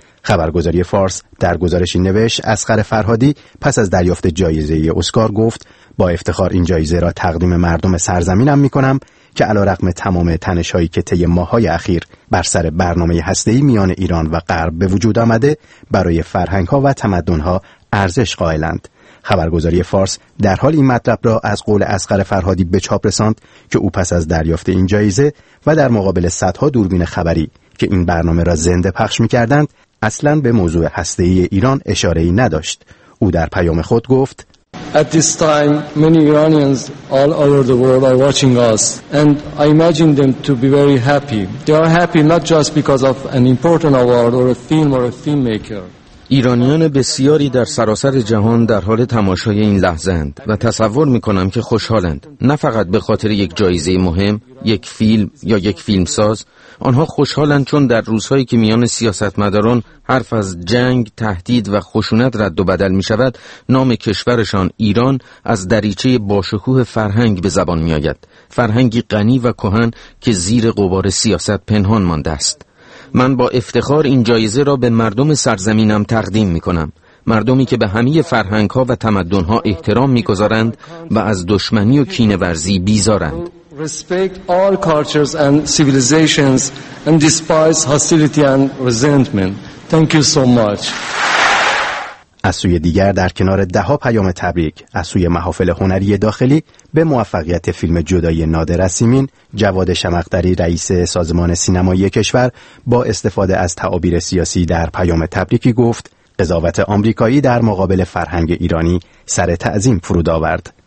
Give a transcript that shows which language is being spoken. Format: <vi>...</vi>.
<fa>خبرگزاری فارس در گزارشی نوشت: اصغر فرهادی پس از دریافت جایزه اسکار گفت: با افتخار این جایزه را تقدیم مردم سرزمینم میکنم که علارغم تمام تنش‌هایی که طی ماه‌های اخیر بر سر برنامه هسته‌ای میان ایران و غرب به وجود آمده، برای فرهنگ‌ها و تمدن‌ها ارزش قائلند. خبرگزاری فارس در حال این مطلب را از قول اصغر فرهادی به چاپ رساند که او پس از دریافت این جایزه و در مقابل صدها دوربین خبری که این برنامه را زنده پخش می‌کردند، اصلاً به موضوع هسته‌ای ایران اشاره‌ای نداشت. او در پیام خود گفت:</fa> <en>At this time many Iranians all over the world are watching us and I imagine them to be very happy. They are happy not just because of an important award or a film or a filmmaker.</en> <fa>ایرانیان بسیاری در سراسر جهان در حال تماشای این لحظه‌اند و تصور می‌کنم که خوشحالند، نه فقط به خاطر یک جایزه مهم، یک فیلم یا یک فیلمساز. آنها خوشحالند چون در روزهایی که میان سیاستمداران حرف از جنگ، تهدید و خشونت رد و بدل می‌شود، نام کشورشان ایران از دریچه باشکوه فرهنگ به زبان می‌آید، فرهنگی غنی و کهن که زیر غبار سیاست پنهان مانده است. من با افتخار این جایزه را به مردم سرزمینم تقدیم می‌کنم، مردمی که به همه فرهنگ‌ها و تمدن‌ها احترام می‌گذارند و از دشمنی و کینه‌ورزی بیزارند.</fa> <en>Respect all cultures and civilizations and despise hostility and resentment. Thank you so much.</en> <fa>از سوی دیگر در کنار ده ها پیام تبریک از سوی محافل هنری داخلی به موفقیت فیلم جدایی نادر از سیمین، جواد شمقدری رئیس سازمان سینمایی کشور با استفاده از تعابیر سیاسی در پیام تبریکی گفت: قضاوت آمریکایی در مقابل فرهنگ ایرانی سر تعظیم فرود آورد.</fa>